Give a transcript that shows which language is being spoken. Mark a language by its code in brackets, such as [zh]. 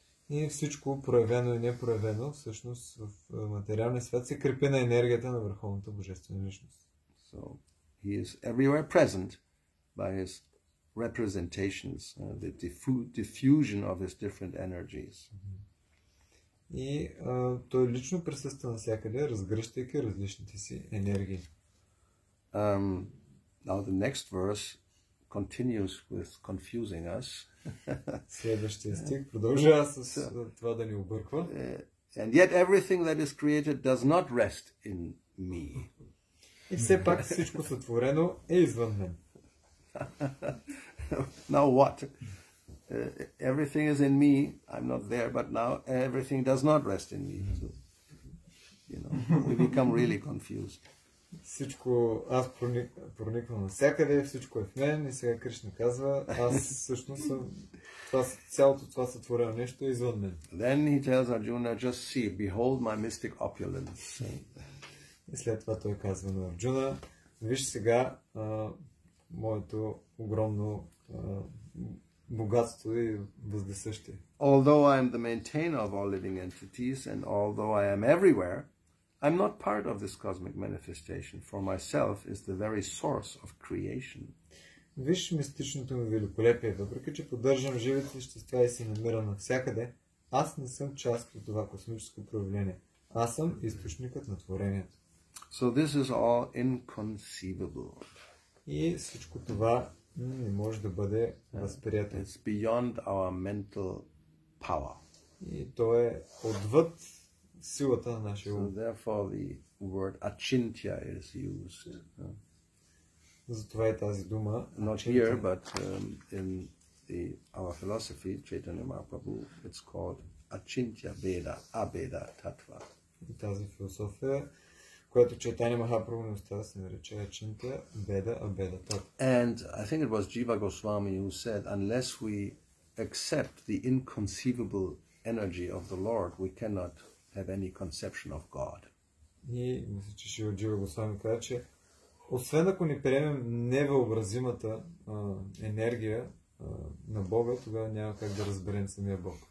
[bg] И всичко, проявено и непроявено, всъщност в материалния свят се крепи на енергията на Върховната Божествена Личност. [en] So, he is everywhere present by his representations, the diffusion of his different energies. [bg] И той лично присъства навсякъде, разгръщайки различните си енергии. [en] Now the next verse continues with confusing us. [bg] Следващия стих продължава с това да ни обърква. [en] And yet everything that is created does not rest in me. [bg] И все пак всичко сътворено е извън мен. [en] Now what? Everything is in me, I'm not there, but now everything does not rest in me. So, you know, we become really confused. [bg] Всичко аз прониквам навсякъде, всичко е в мен и сега Кришна казва, аз всъщност съм това, цялото това сътворено нещо е извън мен. [en] Then he tells Arjuna, just see, behold my mystic opulence. [bg] И след това той казва на Арджуна, виж сега моето огромно богатство и въздесъщие. [en] Although I am the maintainer of all living entities and although I am everywhere, I'm not part of this cosmic manifestation, for myself is the very source of creation. [bg] Виж мистичното ми великолепие, въпреки че поддържам живите същества и се намирам навсякъде, аз не съм част от това космическо проявление. Аз съм източникът на творението. [en] So this is all inconceivable. [bg] И всичко това не може да бъде възприето. [en] It's beyond our mental power. [bg] И то е отвъд силата на нашия ум. [en] So therefore the word achintya is used. [bg] Затова е тази дума. [en] Not achintya. Here, but in the, our philosophy, Chaitanya Mahaprabhu, it's called achintya veda, abeda tatva. [bg] И тази философия, която Chaitanya Mahaprabhu не остава, се нарича achintya veda, abeda tatva. [en] And I think it was Jiva Goswami who said, unless we accept the inconceivable energy of the Lord, we cannot have any conception of God. [bg] И мисля, че Шива Джива Госвами каза, че освен ако не приемем невъобразимата енергия на Бога, тогава няма как да разберем самия Бог.